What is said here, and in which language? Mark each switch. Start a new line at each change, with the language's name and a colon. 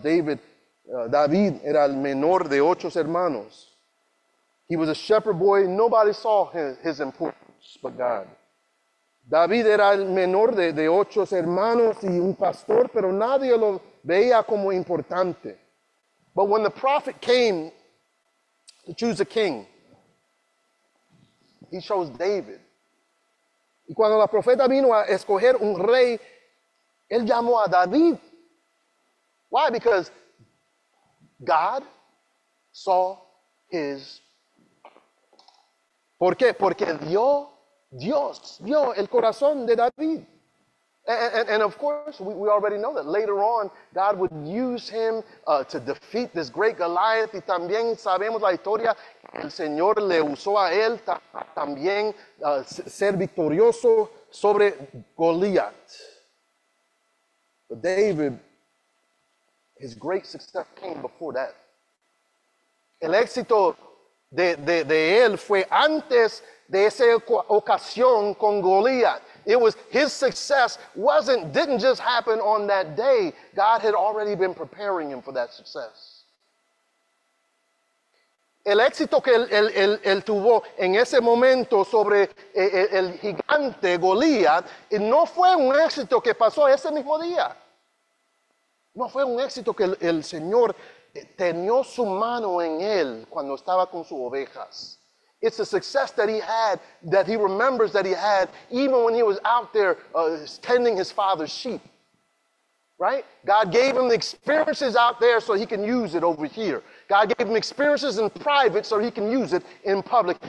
Spanish: David era el menor de ocho hermanos.
English: He was a shepherd boy. Nobody saw his importance but God.
Spanish: David era el menor de ocho hermanos y un pastor, pero nadie lo veía como importante.
English: But when the prophet came to choose a king, he chose David.
Spanish: Y cuando la profeta vino a escoger un rey, él llamó a David.
English: Why? Because God saw his.
Spanish: ¿Por qué? Porque Dios vio el corazón de David.
English: And of course, we already know that later on, God would use him to defeat this great Goliath.
Spanish: Y también sabemos la historia. El Señor le usó a él también ser victorioso sobre Goliath.
English: But David, his great success came before that.
Spanish: El éxito de él fue antes de esa ocasión con Goliath.
English: It was his success didn't just happen on that day. God had already been preparing him for that success.
Spanish: El éxito que él tuvo en ese momento sobre el gigante Goliat no fue un éxito que pasó ese mismo día. No fue un éxito que el Señor tenió su mano en él cuando estaba con sus ovejas.
English: It's a success that he had, that he remembers that he had, even when he was out there tending his father's sheep. Right? God gave him the experiences out there so he can use it over here. God gave him experiences in private so he can use it in public.